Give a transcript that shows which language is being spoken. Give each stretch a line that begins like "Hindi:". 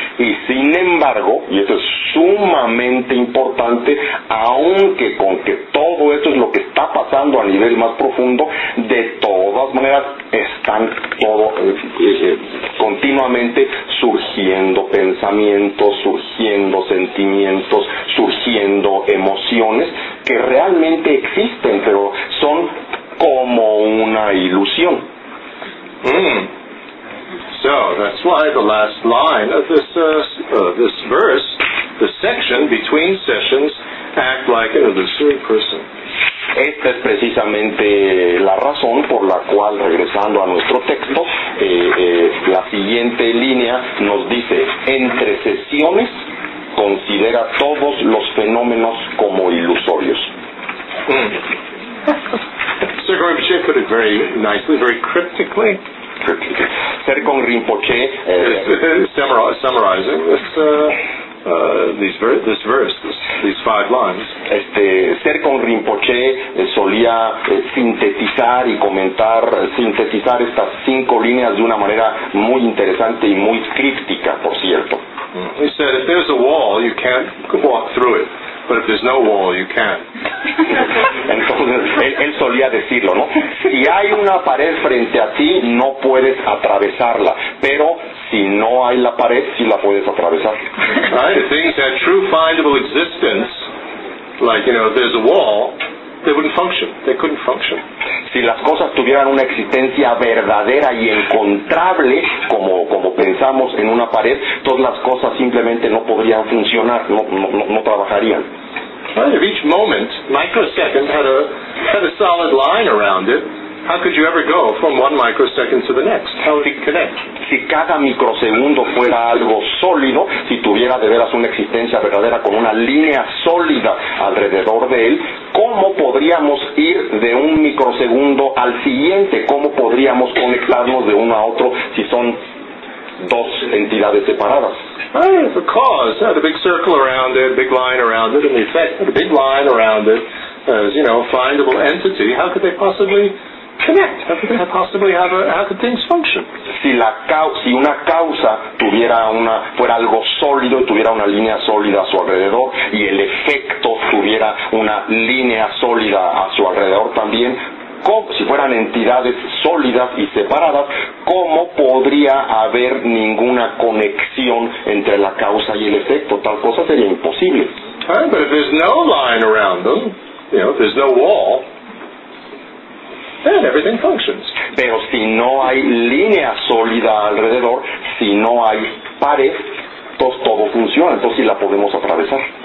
Spanish: Y sin embargo, y esto es sumamente importante, aunque con que todo esto es lo que está pasando a nivel más profundo, de todas maneras están todo continuamente surgiendo pensamientos, surgiendo sentimientos, surgiendo emociones que realmente existen, pero son como una ilusión.
English: So that's why the last line of this this verse, the section between sessions, act like an illusory person.
Spanish: Esta es precisamente la razón por la cual, regresando a nuestro texto, la siguiente línea nos dice: entre sesiones considera todos los fenómenos como ilusorios.
English: Sir Gorbachev put it very nicely, very cryptically. Sergon Rinpoche summarizing this verse, these five lines.
Spanish: Sergon Rinpoche solía sintetizar y comentar, sintetizar estas cinco líneas de una manera muy interesante y muy críptica, por cierto.
English: He said, if there's a wall, you can't walk through it. But if there's no wall, you can't.
Spanish: Entonces, él solía decirlo, ¿no? Si hay una pared frente a ti, no puedes atravesarla. Pero si no hay la pared, sí la puedes atravesar.
English: Right? If things had true findable existence, like, you know, if there's a wall, they wouldn't function. They couldn't function.
Spanish: Si las cosas tuvieran una existencia verdadera y encontrable, como pensamos en una pared, todas las cosas simplemente no podrían funcionar, no trabajarían.
English: Well, if each moment, microsecond, had a solid line around it, how could you ever go from one microsecond to the next? How would it connect?
Spanish: Si cada microsegundo fuera algo sólido, si tuviera de veras una existencia verdadera con una línea sólida alrededor de él, ¿cómo podríamos ir de un microsegundo al siguiente? ¿Cómo podríamos conectarnos de uno a otro si son dos entidades separadas?
English: The cause had a big circle around it, big line around it, and the effect had a big line around it, as, you know, a findable entity. How could they possibly connect? How could things function?
Spanish: Si una causa fuera algo sólido y tuviera una línea sólida a su alrededor, y el efecto tuviera una línea sólida a su alrededor también, si fueran entidades sólidas y separadas, ¿cómo podría haber ninguna conexión entre la causa y el efecto? Tal cosa sería imposible.
English: But if there's no line around them, you know, if there's no wall, then everything functions.
Spanish: Pero si no hay línea sólida alrededor, si no hay pared, todo funciona, entonces sí la podemos atravesar.